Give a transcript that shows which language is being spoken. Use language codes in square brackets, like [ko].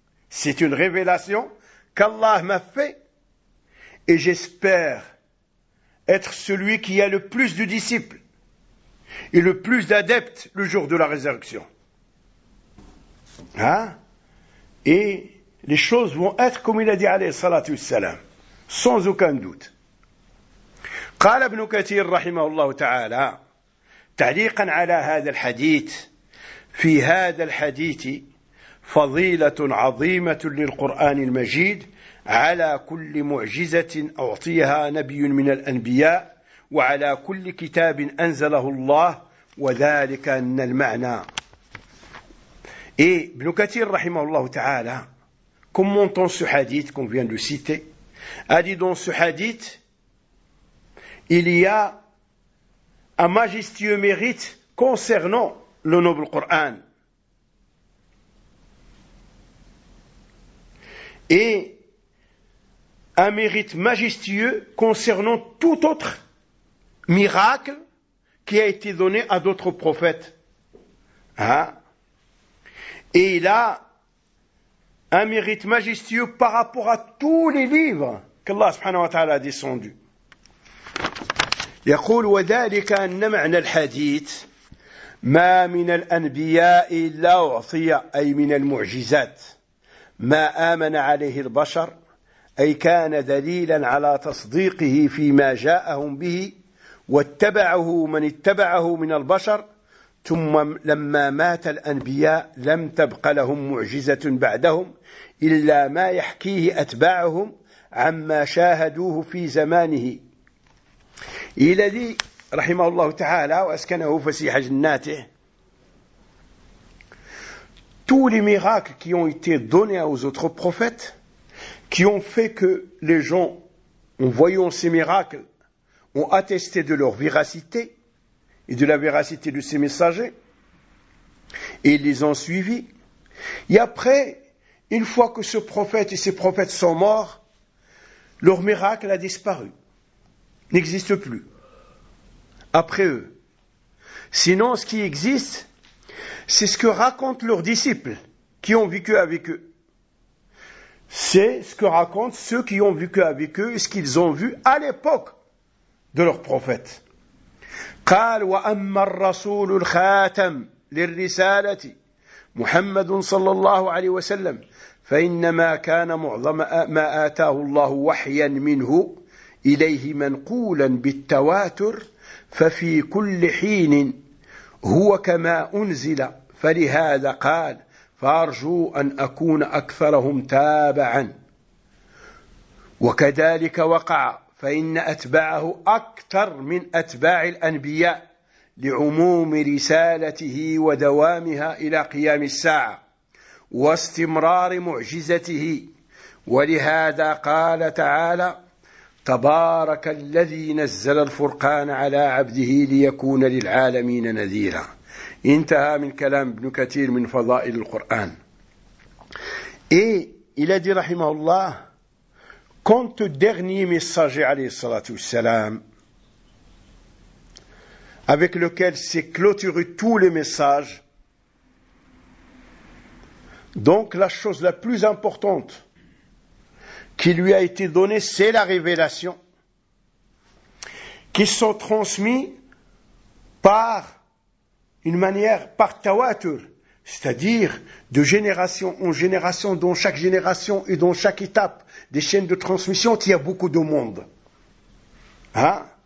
[fr] C'est une révélation qu'Allah m'a fait. Et j'espère être celui qui a le plus de disciples et le plus d'adeptes le jour de la résurrection. Hein? Et les choses vont être comme il a dit alayhi salatu wassalam, sans aucun doute. [ar] قال ابن كثير رحمه الله تعالى تعليقا على هذا الحديث في هذا الحديث فضيلة عظيمة للقرآن المجيد على كل معجزة أعطيها نبي من الأنبياء وعلى كل كتاب أنزله الله وذلك أن المعنى. [fr] Et Ibn Kathir, rahimahullah ta'ala, commentant ce hadith qu'on vient de citer, a dit dans ce hadith, il y a un majestueux mérite concernant le noble Coran. Et un mérite majestueux concernant tout autre miracle qui a été donné à d'autres prophètes. Hein? Et il a un mérite majestueux par rapport à tous les livres qu'Allah subhanahu wa ta'ala a descendu. [ar] يقول وذلك أن معنى الحديث ما من الأنبياء إلا أعطي أي من المعجزات ما آمن عليه البشر أي كان دليلا على تصديقه فيما جاءهم به واتبعه من اتبعه من البشر، ثم لما مات الأنبياء لم تبق لهم معجزة بعدهم إلا ما يحكيه أتباعهم عما شاهدوه في زمانه. الذي رحمه الله تعالى وأسكنه فسيح جناته [fr] tous les miracles qui ont été donnés aux autres prophètes qui ont fait que les gens en voyant ces miracles ont attesté de leur véracité et de la véracité de ces messagers et les ont suivis. Et après, une fois que ce prophète et ces prophètes sont morts, leur miracle a disparu, n'existe plus après eux. Sinon, ce qui existe, c'est ce que racontent leurs disciples qui ont vécu avec eux. C'est ce que racontent ceux qui ont vécu avec eux, ce qu'ils ont vu à l'époque de leur prophète. [ar] قال وأما الرسول الخاتم للرسالة محمد صلى الله عليه وسلم فإنما كان معظم ما آتاه الله وحيا منه إليه منقولا بالتواتر ففي كل حين هو كما أنزل، فلهذا قال فأرجو أن أكون أكثرهم تابعا. وكذلك وقع، فإن أتباعه أكثر من أتباع الأنبياء لعموم رسالته ودوامها إلى قيام الساعة واستمرار معجزته. ولهذا قال تعالى تبارك الذي نزل الفرقان على عبده ليكون للعالمين نذيرا. انتهى من كلام ابن كثير من فضائل القرآن. إيه الذي رحمه الله [fr] Quant au dernier messager, alayhi salatu wassalam, avec lequel s'est clôturé tous les messages, donc la chose la plus importante qui lui a été donnée, c'est la révélation, qui sont transmises par une manière, par tawatur, c'est-à-dire de génération en génération, dans chaque génération et dans chaque étape des chaînes de transmission, il y a beaucoup de monde. Hein?